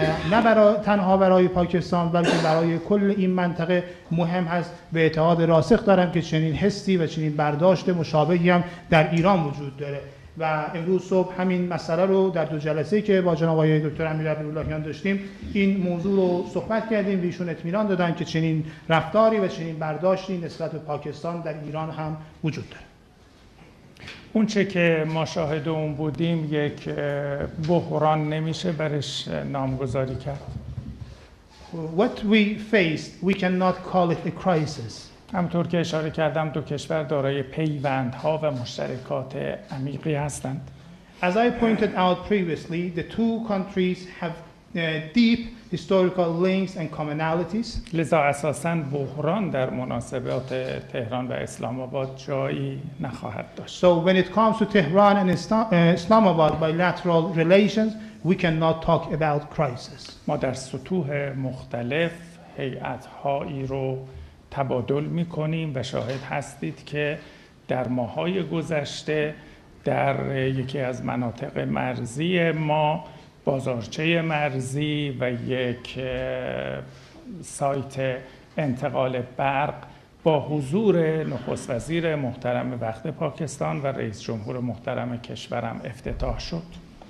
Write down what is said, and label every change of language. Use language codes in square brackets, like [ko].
[fa] نه برای تنها برای پاکستان بلکه برای کل این منطقه مهم هست و اعتقاد راسخ دارم که چنین حسی و چنین برداشت مشابهی هم در ایران وجود داره و امروز صبح همین مسئله رو در دو جلسه که با جناب آقای دکتر امیرعبداللهیان داشتیم این موضوع رو صحبت کردیم و ایشون اطمینان دادن که چنین رفتاری و چنین برداشتی نسبت به پاکستان در ایران هم وجود داره اون چه که ما شاهد اون بودیم یک بحران نمیشه برش نامگذاری کرد. [en] What we faced, we cannot call it a crisis. [fa] همطور که اشاره کردم دو کشور دارای پیوندها و مشترکات عمیقی هستند. [en] As I pointed out previously, the two countries have deep historical links and commonalities. [fa] لذا اساساً بحران در مناسبات تهران و اسلام آباد جایی نخواهد داشت. [en] So when it comes to Tehran and Islamabad bilateral relations, we cannot talk about crisis. [fa] ما در سطوح مختلف هیئت‌هایی رو تبادل می‌کنیم و شاهد هستید که در ماه‌های گذشته در یکی از مناطق مرزی ما بازارچه مرزی و یک سایت انتقال برق با حضور نخست وزیر محترم وقت پاکستان و رئیس جمهور محترم کشورم افتتاح شد.